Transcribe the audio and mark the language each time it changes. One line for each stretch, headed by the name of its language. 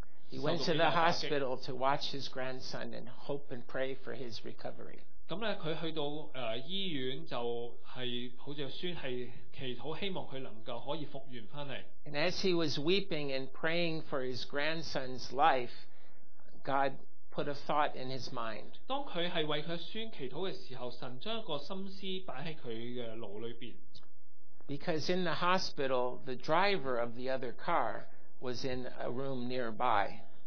English: He went to the hospital to watch his grandson and hope and pray for his recovery.
Chinese: 他去到醫院,就是好像孫是祈禱希望他能夠可以復原回來。
English: And as he was weeping and praying for his grandson's life, God put a thought in his mind.
Chinese: 當他是為他孫祈禱的時候,神將一個心思放在他的腦裡面。
English: Because in the hospital, the driver of the other car was in a room nearby.